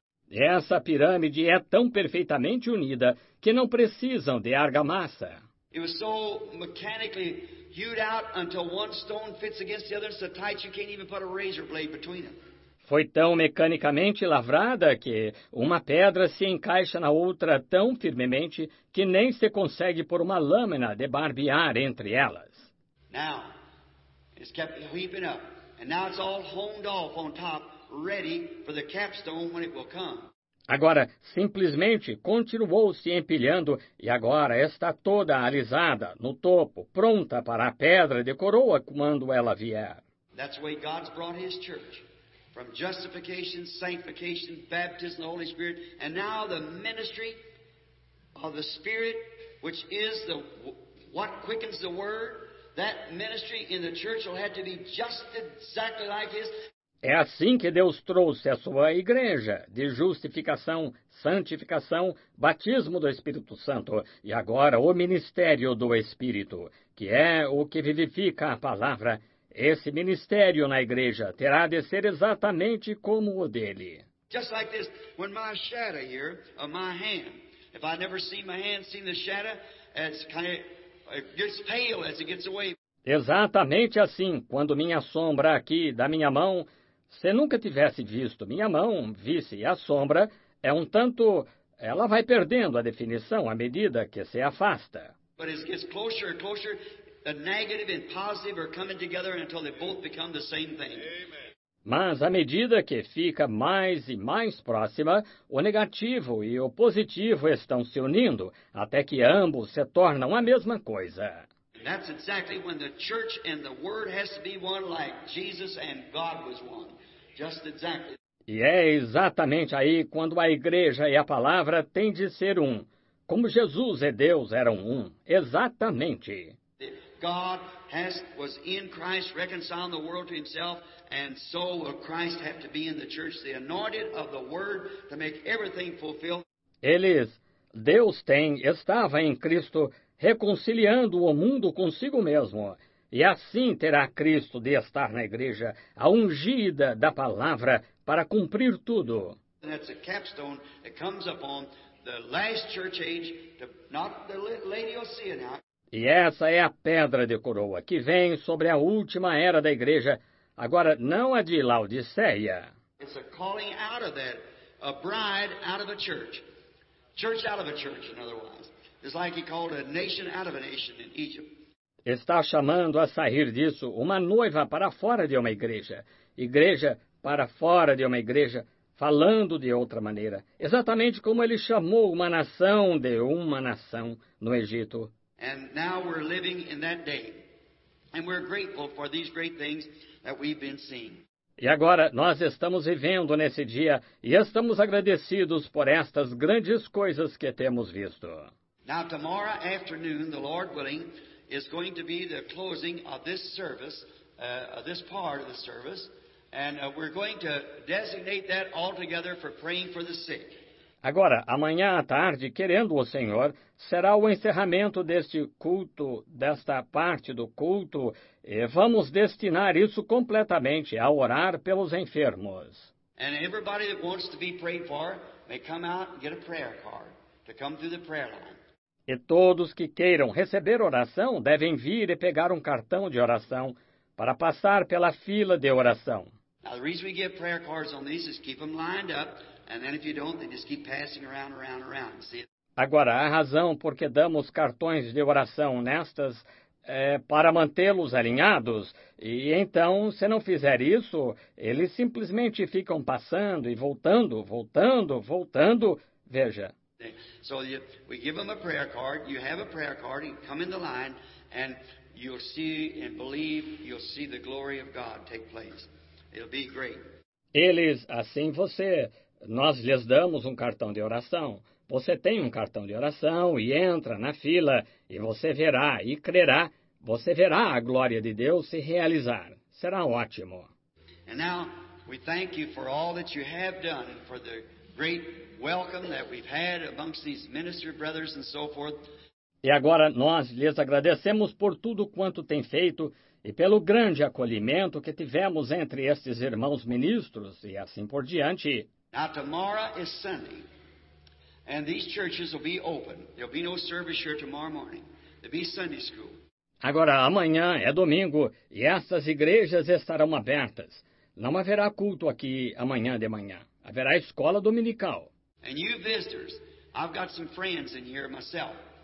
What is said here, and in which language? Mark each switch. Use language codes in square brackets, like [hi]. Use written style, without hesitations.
[pt] Essa pirâmide é tão perfeitamente unida que não precisam de argamassa. [en] It was so mechanically hewed out until one stone fits against the other so tight you can't even put a razor blade between them. [pt] Foi tão mecanicamente lavrada que uma pedra se encaixa na outra tão firmemente que nem se consegue pôr uma lâmina de barbear entre elas. [en] Now, it's kept heaping up, and now it's all honed off on top, ready for the capstone when it will come. [pt] Agora, simplesmente, continuou se empilhando e agora está toda alisada no topo, pronta para a pedra de coroa quando ela vier. [en] That's the way God's brought his church, from justification, sanctification, baptism, the Holy Spirit, and now the ministry of the Spirit, which is the what quickens the word, that ministry in the church will have to be just exactly like his. [pt] É assim que Deus trouxe a sua igreja, de justificação, santificação, batismo do Espírito Santo, e agora o ministério do Espírito, que é o que vivifica a palavra. Esse ministério na igreja terá de ser exatamente como o dele. [en] Just like this, when my shadow here, of my hand, if I never see my hand, see the shadow, it's kind of, it gets pale as it gets away. [pt] Exatamente assim, quando minha sombra aqui da minha mão, se nunca tivesse visto minha mão, visse a sombra, é um tanto, ela vai perdendo a definição à medida que se afasta. [en] But as it gets closer and closer, the negative and positive are coming together until they both become the same thing. Amen. [pt] Mas à medida que fica mais e mais próxima, o negativo e o positivo estão se unindo, até que ambos se tornam a mesma coisa. [en] That's exactly when the church and the word has to be one like Jesus and God was one. Just exactly. [pt] E é exatamente aí quando a igreja e a palavra têm de ser um, como Jesus e Deus eram um, exatamente. [en] God has was in Christ reconciling the world to himself, and so will Christ have to be in the church, the anointed of the word to make everything fulfilled. [pt] Eles, Deus tem, estava em Cristo reconciliando o mundo consigo mesmo. E assim terá Cristo de estar na igreja, a ungida da palavra, para cumprir tudo. [en] That's a capstone that comes upon the last church age, to, not the lady you'll see now. [pt] E essa é a pedra de coroa que vem sobre a última era da igreja, agora não a de Laodiceia. [en] It's a calling out of that, a bride out of a church. Church out of a church, in other words. It's like he called a nation out of a nation in Egypt. [pt] Está chamando a sair disso uma noiva para fora de uma igreja. Igreja para fora de uma igreja, falando de outra maneira. Exatamente como ele chamou uma nação de uma nação no Egito. [en] And now we're living in that day. And we're grateful for these great things that we've been seeing. [pt] E agora nós estamos vivendo nesse dia e estamos agradecidos por estas grandes coisas que temos visto. [en] Now tomorrow afternoon, the Lord willing, is going to be the closing of this service, this part of the service, and we're going to designate that altogether for praying for the sick. [pt] Agora, amanhã à tarde, querendo o Senhor, será o encerramento deste culto, desta parte do culto, e vamos destinar isso completamente a orar pelos enfermos. [en] And everybody that wants to be prayed for may come out and get a prayer card to come through the prayer line. [pt] E todos que queiram receber oração devem vir e pegar um cartão de oração para passar pela fila de oração. [en] Now, the reason we get prayer cards on these is keep them lined up, and then if you don't, they just keep passing around, around, around. See? [pt] Agora, a razão por que damos cartões de oração nestas é para mantê-los alinhados. E então, se não fizer isso, eles simplesmente ficam passando e voltando, voltando, voltando. Veja. [en] So we give them a prayer card. You have a prayer card. You come in the line, and you'll see and believe. You'll see the glory of God take place. It'll be great. [pt] Eles, assim você, nós lhes damos um cartão de oração. Você tem um cartão de oração e entra na fila e você verá e crerá. Você verá a glória de Deus se realizar. Será ótimo. [en] And now we thank you for all that you have done and for the great welcome that we've had amongst these minister brothers and so forth. [pt] E agora nós lhes agradecemos por tudo quanto tem feito e pelo grande acolhimento que tivemos entre estes irmãos ministros e assim por diante. [en] Now tomorrow is Sunday. And these churches will be open. There'll be no service here tomorrow morning. There'll be Sunday school. [pt] Agora, amanhã é domingo e estas igrejas estarão abertas. Não haverá culto aqui amanhã de manhã. Haverá escola dominical. [en] And you visitors, I've got some friends in here myself.